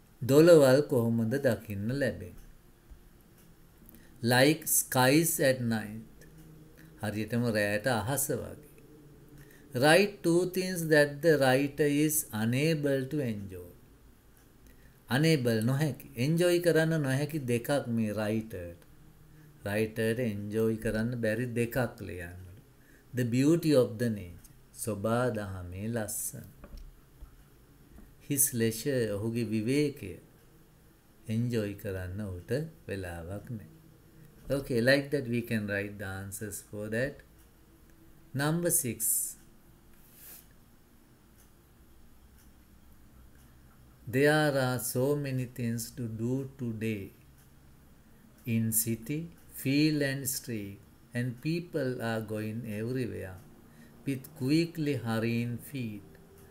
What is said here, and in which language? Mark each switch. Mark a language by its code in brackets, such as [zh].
[si] දොළවල් කොහොමද දකින්න ලැබෙන්නේ? [en] Like skies at night. [si] හරියටම රෑට අහස වගේ. [en] Write two things that the writer is unable to enjoy. Unable නොහැකි. [si] Enjoy කරන්න නොහැකි දෙකක් මේ writer. Writer enjoy කරන්න බැරි දෙකක් ලියන්න. [en] The beauty of the nature. [si] සොබා දහමේ ලස්සන. [en] His leisure [si] ඔහුගේ විවේකය. Enjoy කරන්න ඔහුට වෙලාවක් නැහැ. [en] Okay, like that we can write the answers for that. Number 6. There are so many things to do today in city, field and street, and people are going everywhere with quickly hurrying feet.